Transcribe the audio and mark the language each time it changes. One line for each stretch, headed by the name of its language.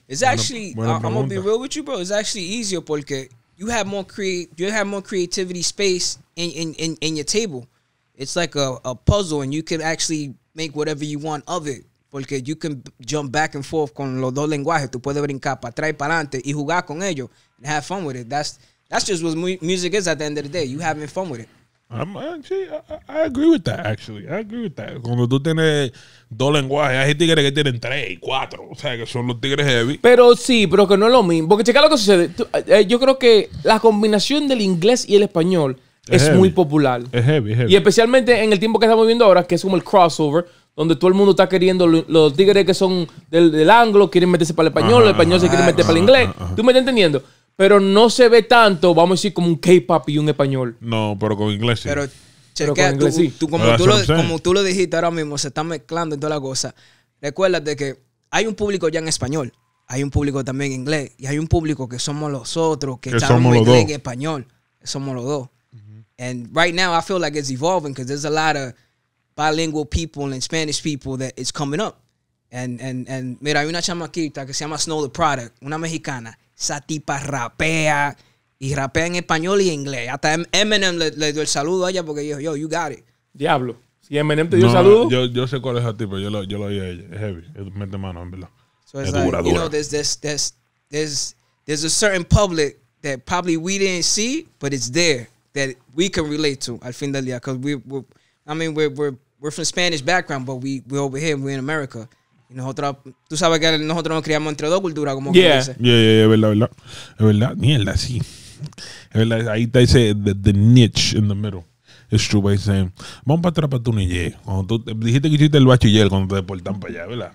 English: It's actually I'm gonna be real with you, bro. It's actually easier porque you have more creativity space in your table. It's like a puzzle and you can actually make whatever you want of it.
Spanish: Porque
English: you can jump back and forth
Spanish: con los dos lenguajes. Tú puedes brincar para atrás y para adelante y jugar con ellos
English: and have fun with it. That's just what music is at the end of the day. You having fun with it. I agree with that, actually. I agree with that.
Spanish: Cuando tú tienes dos lenguajes, hay tigres que tienen 3, 4. O sea, que son los tigres heavy. Pero sí, pero que no es lo mismo. Porque checa lo que sucede. Yo creo que la combinación del inglés y el español es muy popular. Es heavy, heavy. Y especialmente en el tiempo que estamos viviendo ahora, que es como el crossover, donde todo el mundo está queriendo, los tigres que son del anglo quieren meterse para el español, ajá, los españoles se quieren meter para el inglés. Ajá. ¿Tú me estás entendiendo? Pero no se ve tanto, vamos a decir, como un K-pop y un español. No, pero con inglés sí. Pero, chequea, pero con inglés, tú, como tú lo dijiste ahora mismo, se está mezclando en toda la cosa. Recuérdate que hay un público ya en español, hay un público también en inglés, y hay un público que somos los otros, que estamos en inglés y español. Somos los dos. Uh-huh.
English: And right now I feel like it's evolving because there's a lot of bilingual people and Spanish people that is coming up.
Spanish: And mira, hay una chamaquita que se llama Snow the Product, una mexicana. Esa tipa rapea y rapea en español y en inglés. Hasta Eminem le dio el saludo a ella porque dijo, yo,
English: you got it.
Spanish: Diablo. Si Eminem te dio el saludo. Yo sé cuál es esa tipa. Yo lo oí a ella. Es heavy. Es mete mano, en verdad. So es dura, like, dura.
English: You know, there's a certain public that probably we didn't see, but it's there that we can relate to
Spanish: al fin del día.
English: Because we're from Spanish background, but we're over here. We're in America.
Spanish: Nosotros, tú sabes que nosotros nos criamos entre dos culturas, como yeah, que dice. Yeah, yeah, yeah, es verdad, mierda, sí. Es verdad, ahí está ese,
English: the niche in the middle. It's true, by saying.
Spanish: Vamos para atrás para tu niñe. Cuando tú dijiste que hiciste el bachiller cuando te deportan para allá, ¿verdad?